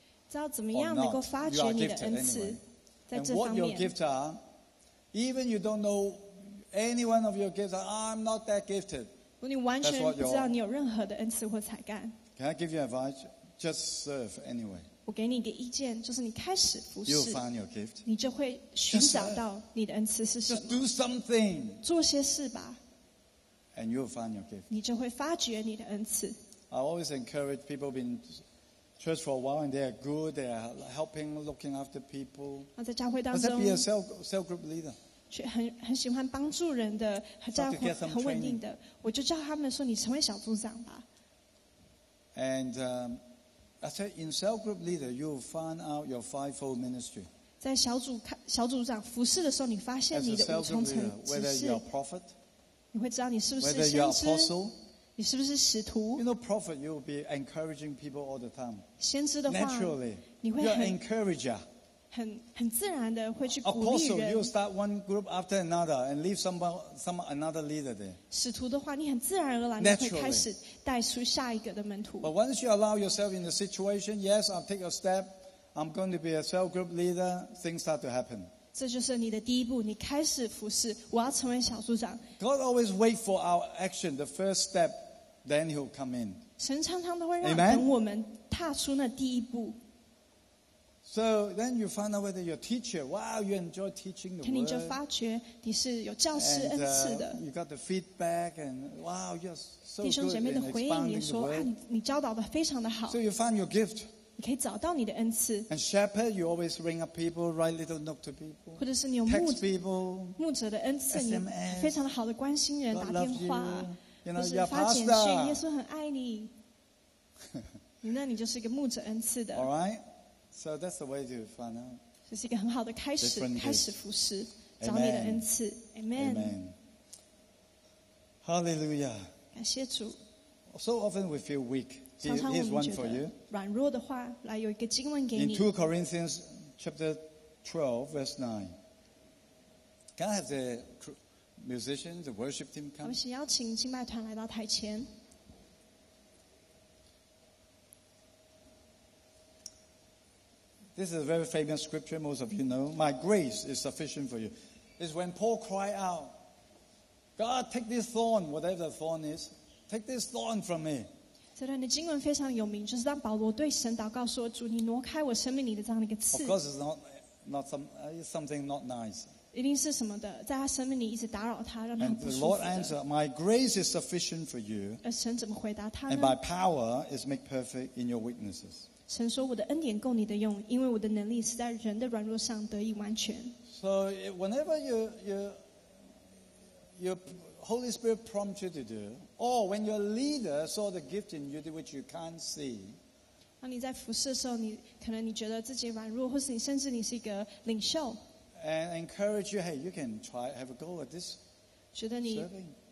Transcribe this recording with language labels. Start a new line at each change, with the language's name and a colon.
Chinese: 知道怎么样能够发掘你的恩赐，在这方面。
English: Even you don't know any one of your gifts, I'm not that gifted.
Chinese: 如果你完全不知道你有任何的恩赐或才干。
English: Can I give you advice? Just serve anyway.
Chinese: 我给你一个意见，就是你开始服侍。
English: You'll find your gift.
Chinese: 你就会寻找到你的恩赐是什么。
English: Just do something.
Chinese: 做些事吧。
English: And you'll find your gift.
Chinese: 你就会发掘你的恩赐。
English: I always encourage people been church for a while and they are good, they are helping, looking after people.
Chinese: 在教会当中
English: be a cell group leader.
Chinese: 很喜欢帮助人的，在很稳定的，我就叫他们说你成为小组长吧。
English: And I said, in cell group leader, you will find out your fivefold ministry.
Chinese: 在小组长服事的时候，你发现你的五重层职事。
English: Whether you are prophet,
Chinese: 你会知道你是不是先知。
English: Whether you are apostle.
Chinese: 你是不是使徒
English: ？You know, prophet, you will be encouraging people all the time.
Chinese: 先知的话
English: ，naturally,
Chinese: 你会
English: you're an encourager.
Chinese: 很自然的会去鼓励人。
English: Apostle, you start one group after another and leave some another leader there.
Chinese: 使徒的话，你很自然而然的会开始带出下一个的门徒。
English: But once you allow yourself in the situation, yes, I'll take a step. I'm going to be a cell group leader. Things start to happen.
Chinese: 这就是你的第一步，你开始服事。我要成为小组长。
English: God always wait for our action, the first step. Then he'll come in.
Chinese: 神常常都会让等我们踏出那第一步。
English: So then you find out whether you're a teacher. Wow, you enjoy teaching the word.
Chinese: 你就发觉你是有教师恩赐的。
English: You got the feedback and wow, you're so good in expanding the word.
Chinese: 弟兄姐妹的回应，你说你教导的非常的好。
English: So you find your gift.
Chinese: 你可以找到你的恩赐。
English: And shepherd, you always ring up people, write little note to people.
Chinese: 或者是你有牧
English: 者 people,
Chinese: 牧者的恩赐，你非常的好的关心人，打电话。
English: You know,
Chinese: 或是发简讯，耶稣很爱你。那你就是一个牧者恩赐的。
English: All right, so that's the way to find out.
Chinese: 这是一个很好的开始，
English: Different、
Chinese: 开始服侍，找你的恩赐。Amen.
English: Amen. Hallelujah.
Chinese: 感谢主。
English: So often we feel weak. Here's one for you.
Chinese: 软弱的话，来有一个经文给你。
English: In 2 Corinthians chapter 12, verse 9. Can I have the musicians, the worship team come.
Chinese: 我们邀请敬拜团来到台前。
English: This is a very famous scripture, most of you know. My grace is sufficient for you. It's when Paul cried out, God, take this thorn, whatever the thorn is, take this thorn from me.
Chinese: 这段的经文非常有名，就是当保罗对神祷告说：“主，你挪开我生命里的这样的一个刺。”
English: Of course, it's it's something not nice.
Chinese: 一定是什么的，在他生命里一直打扰他，让他不舒服的。
English: And the Lord answered, "My grace is sufficient for you."
Chinese: 而神怎么回答他呢
English: ？And my power is made perfect in your weaknesses.
Chinese: 神说我的恩典够你的用，因为我的能力是在人的软弱上得以完全。
English: So whenever your Holy Spirit prompts you to do, or when your leader saw the gift in you which you can't see.
Chinese: 当你在服事的时候，你可能你觉得自己软弱，或是你甚至你是一个领袖。
English: And encourage you, hey, you can try, have a go at this serving.